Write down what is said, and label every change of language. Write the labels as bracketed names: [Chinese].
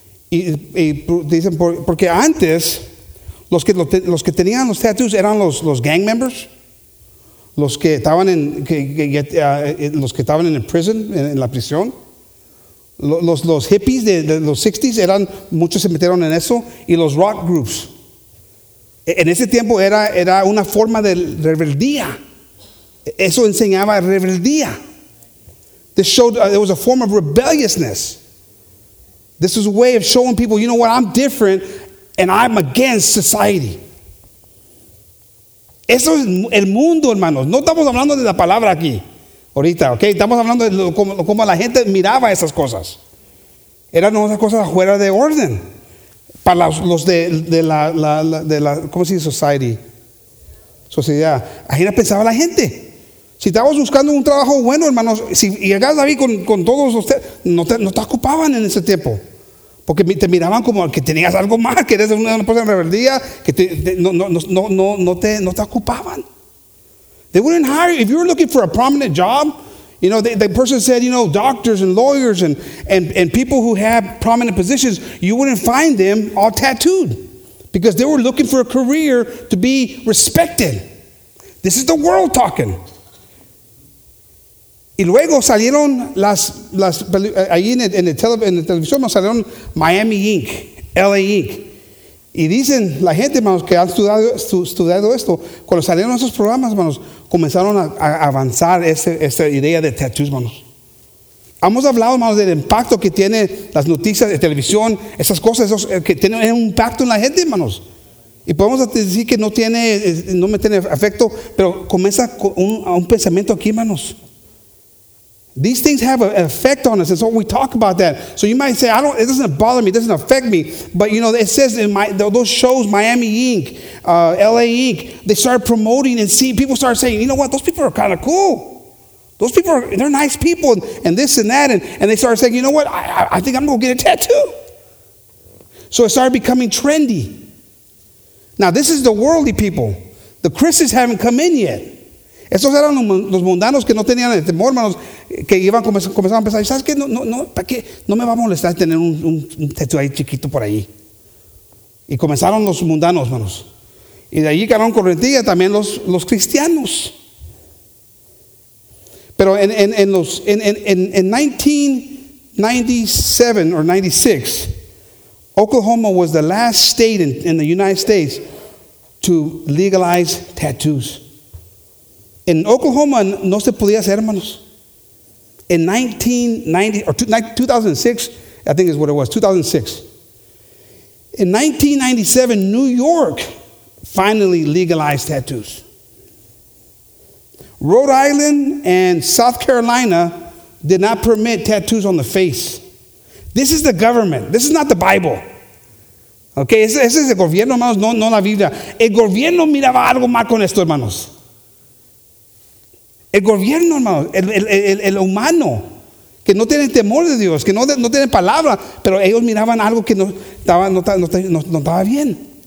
[Spanish] Y dicen, porque antes... Los que tenían los tattoos eran los [English] gang members, [Spanish] los que estaban en prison, en la prisión. Los hippies de los 60s eran, muchos se metieron en eso, y los rock groups. En ese tiempo era una forma de rebeldía. Eso enseñaba rebeldía. [English] This showed it was a form of rebelliousness. This was a way of showing people, you know what, I'm different. And I'm against society. [Spanish] Eso es el mundo, hermanos. No estamos hablando de la palabra aquí, ahorita, ¿ok? Estamos hablando de cómo la gente miraba esas cosas. Eran unas cosas fuera de orden. Para los de la ¿cómo se dice? Society. Sociedad. Ahí la pensaba la gente. Si estabas buscando un trabajo bueno, hermanos, si llegas David con todos ustedes, no te ocupaban en ese tiempo. Porque te miraban como que tenías algo mal, que eres una persona en rebeldía, que no te ocupaban. [English] They wouldn't hire you. If you were looking for a prominent job, the person said, doctors and lawyers and people who have prominent positions, you wouldn't find them all tattooed. Because they were looking for a career to be respected. This is the world talking. [Spanish] Y luego salieron las ahí en la televisión, nos salieron Miami Ink, LA Ink. Y dicen la gente, hermanos, que han estudiado esto, cuando salieron esos programas, hermanos, comenzaron a avanzar esta idea de tattoos, hermanos. Hemos hablado, hermanos, del impacto que tiene las noticias de televisión, esas cosas, esos, que tienen un impacto en la gente, hermanos. Y podemos decir que no me tiene afecto, pero comienza con un pensamiento aquí, hermanos. [English] These things have an effect on us. And so we talk about that. So you might say, it doesn't bother me. It doesn't affect me. But, it says in those shows, Miami Ink, LA Ink, they start promoting and seeing people start saying, you know what? Those people are kind of cool. Those people, they're nice people and this and that. And they start saying, you know what? I think I'm going to get a tattoo. So it started becoming trendy. Now, this is the worldly people. The Christians haven't come in yet. [Spanish] Esos eran los mundanos que no tenían el temor, hermanos, que iban comenzaban a pensar, ¿sabes qué? No, ¿para qué? No me va a molestar tener un tatu ahí chiquito por ahí. Y comenzaron los mundanos, hermanos. Y de allí quedaron corrientes también los cristianos. Pero en [English] 1997 or 96, Oklahoma was the last state in the United States to legalize tattoos. [Spanish] En Oklahoma no se podía hacer, hermanos. [English] In 2006, I think is what it was, 2006. In 1997, New York finally legalized tattoos. Rhode Island and South Carolina did not permit tattoos on the face. This is the government. This is not the Bible. [Spanish] Okay, ese es el gobierno, hermanos, no la Biblia. El gobierno miraba algo mal con esto, hermanos. El gobierno, hermanos, el humano, que no tiene temor de Dios, que no tiene palabra, pero ellos miraban algo que no estaba bien.